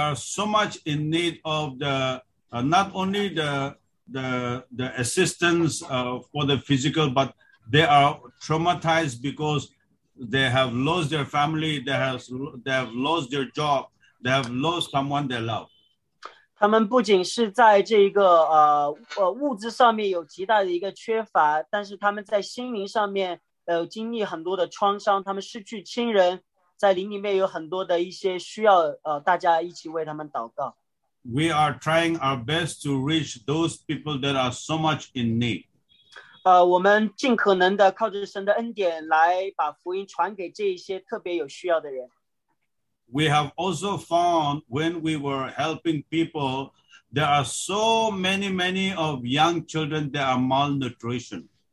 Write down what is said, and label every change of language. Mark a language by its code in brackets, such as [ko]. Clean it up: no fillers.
[en] are so much in need of the not only the assistance for the physical, but they are traumatized because they have lost their family, they have lost their job. They have lost someone they love. [zh] 他们不仅是在这个物质上面有极大的一个缺乏，但是他们在心灵上面经历很多的创伤，他们失去亲人，在灵里面有很多的一些需要，大家一起为他们祷告。 [en] We are trying our best to reach those people that are so much in need. [zh] 我们尽可能的靠着神的恩典来把福音传给这一些特别有需要的人。 [en] We have also found when we were helping people, there are so many, many of young children that are malnutrition.